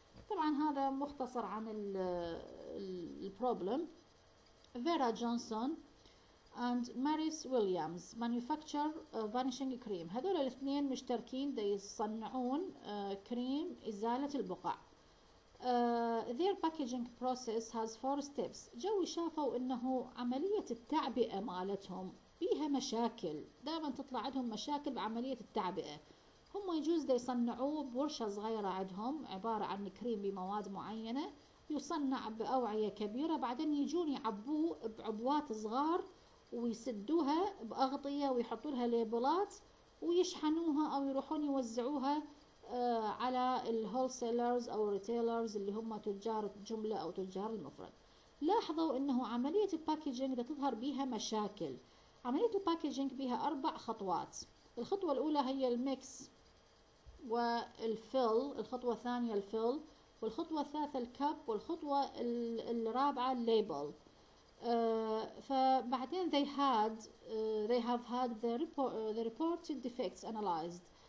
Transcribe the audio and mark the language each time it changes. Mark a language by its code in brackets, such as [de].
[ar] طبعا هذا مختصر عن البروبلم. [en] Vera Johnson and Maris Williams manufacture vanishing cream. [ar] هذول الاثنين مشتركين دا يصنعون كريم إزالة البقع. [en] Their packaging process has four steps. [ar] جوي شافوا انه عملية التعبئة مالتهم بيها مشاكل، دائما تطلع عندهم مشاكل بعملية التعبئة. هم يجوز دي يصنعوه بورشة صغيرة عندهم، عبارة عن كريم بمواد معينة يصنع بأوعية كبيرة، بعدين يجون يعبوه بعبوات صغار ويسدوها بأغطية ويحطوا لها ليبلات ويشحنوها أو يروحون يوزعوها على الهول سيلرز أو الريتيلرز اللي هم تجار جملة أو تجار المفرد. لاحظوا أنه عملية الباكيجينج إذا تظهر بها مشاكل، عملية الباكيجينج بها 4 خطوات. الخطوة الأولى هي الميكس والفيل، الخطوة الثانية الفيل، والخطوة الثالثة الكاب، والخطوة الرابعة الليبل. فبعدين [en] they have had the reported defects analyzed.